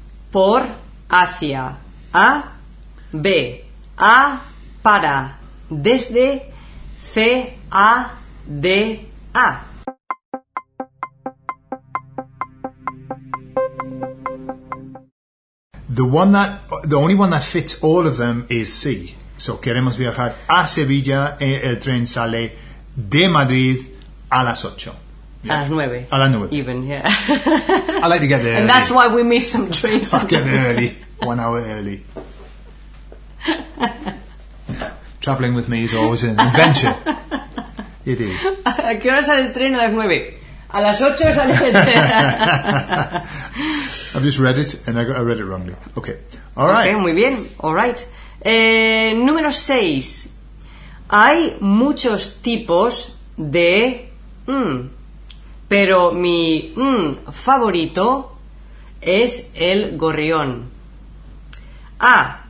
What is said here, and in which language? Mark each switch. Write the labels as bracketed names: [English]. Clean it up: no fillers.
[Spanish] Por, hacia, a. B. A. Para, desde. C. A. De, a. [English] The only one that fits all of them is C. [Spanish] So, queremos viajar a Sevilla, el tren sale de Madrid a las 8. Yeah. A las 9. A las 9. [English] Even, yeah. I like to get there and early. That's why we miss some trains. I get there early. 1 hour early. Traveling with me is always an adventure. It is. [Spanish] ¿A qué hora sale el tren? A las 9. A las 8 sale el tren. [English] I've just read it and I read it wrongly. Okay. All right. [Spanish] Okay, muy bien. [English] All right. [Spanish] Número 6. Hay muchos tipos de... pero mi favorito es el gorrión. A.